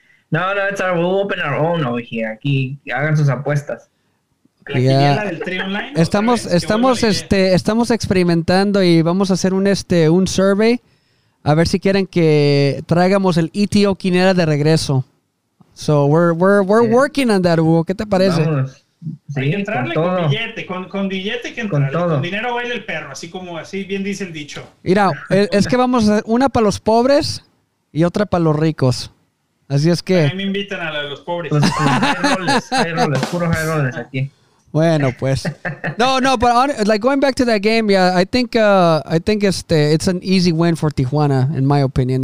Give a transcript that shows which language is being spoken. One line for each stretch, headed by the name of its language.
English: No, it's our, we'll open our own over here.
Spanish: Aquí, hagan sus apuestas. La quiniela del Tri Online. Estamos experimentando y vamos a hacer un survey a ver si quieren que traigamos el ETO quiniela de regreso.
English: So we're working on that, Hugo.
Spanish: ¿Qué te parece? Sí, hay que entrarle con billete que entrarle. Con dinero baila el perro, así bien dice el dicho. Mira, es que vamos a hacer una para los pobres y otra para los ricos. Así es que... A mí me invitan a la de los pobres. Los puros aquí. Bueno, pues.
English: No, but going back to that game, yeah, I think it's an easy win for Tijuana, in my opinion.